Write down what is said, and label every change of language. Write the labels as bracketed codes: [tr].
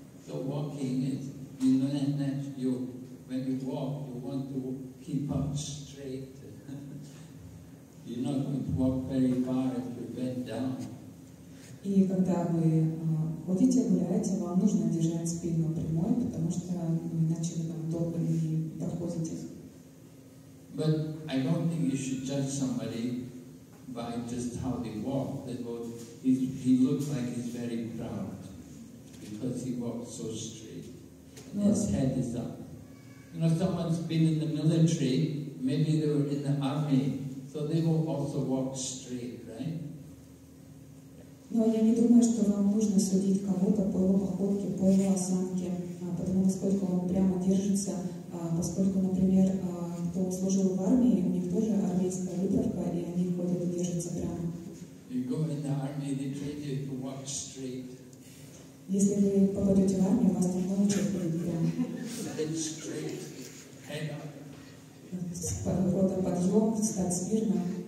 [en] So walking is, you know, that you, when you walk, you want to keep up straight. You're not going to walk very far if you bend down. [ru] И когда вы ходите, гуляете, вам нужно держать спину прямой, потому что иначе вы там долго не доходите. [en] But I don't think you should judge somebody by just how they walk. That was, he looks like he's very proud because he walks so straight. And his head is up. You know, someone's been in the military, maybe they were in the army, so they will also walk straight, right? [ru] Но я не думаю, что вам нужно судить кого-то по его походке, по его осанке, потому насколько он прямо держится, поскольку, например, кто служил в армии, у них тоже армейская выправка, и они ходят и держатся прямо. [en] You go in the army, they train you to walk straight. [ru] Если вы попадете в армию, вас там научат ходить прямо. [en] Head straight, head up. [ru] С подходом подъем, встать смирно.